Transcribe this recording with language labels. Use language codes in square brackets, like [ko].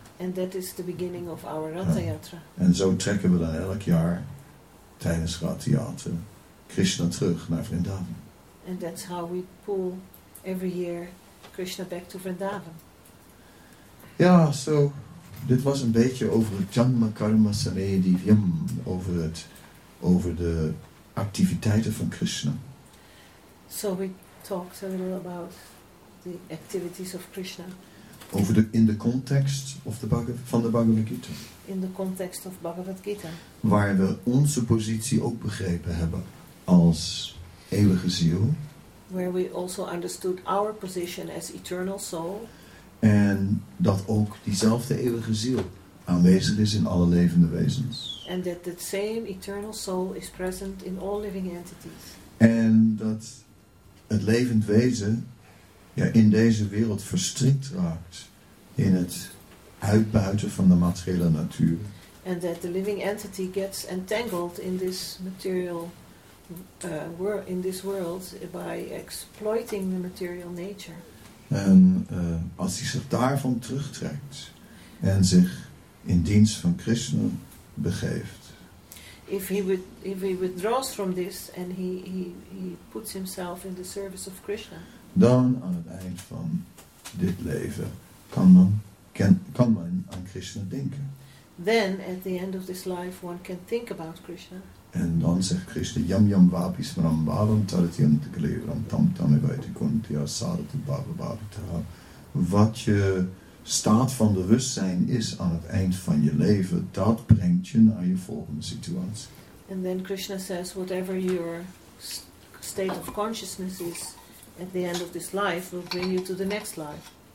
[en] And that is the beginning of our Rathyatra. [nl] Ja. En zo trekken we dan elk jaar tijdens Rathyatra Krishna terug naar Vrindavan. [en] And that's how we pull every year Krishna back to Vrindavan. [nl] Ja, so dit was een beetje over het Janma Karma Samedivyam, over de activiteiten van Krishna. [en] So we talked a little about the activities of Krishna. [nl] Over de, [en] in the context of the [nl] van de [en] Bhagavad Gita. In the context of Bhagavad Gita. [nl] Waar we onze positie ook begrepen hebben als eeuwige ziel. [en] Where we also understood our position as eternal soul. [nl] En dat ook diezelfde eeuwige ziel aanwezig is in alle levende wezens. [en] And that the same eternal soul is present in all living entities. [nl] En dat het levend wezen ja, in deze wereld verstrikt raakt in het uitbuiten van de materiële natuur. [en] And that the living entity gets entangled in this material in this world by exploiting the material nature. [nl] En als hij zich daarvan terugtrekt en zich in dienst van Krishna begeeft. [en] If he withdraws from this and he puts himself in the service of Krishna. [nl] Dan aan het eind van dit leven kan men aan Krishna denken. [en] Then at the end of this life one can think about Krishna. [nl] En dan zegt Krishna [sa] yam yam vapis vanam balam taritiyam tikaliram tam tamivaiti kunti asarati bababitaha. [nl] Wat je staat van bewustzijn is aan het eind van je leven, dat brengt je naar je volgende situatie. [en] And then Krishna says, whatever your state of consciousness is at the end of this life will bring you to the next life.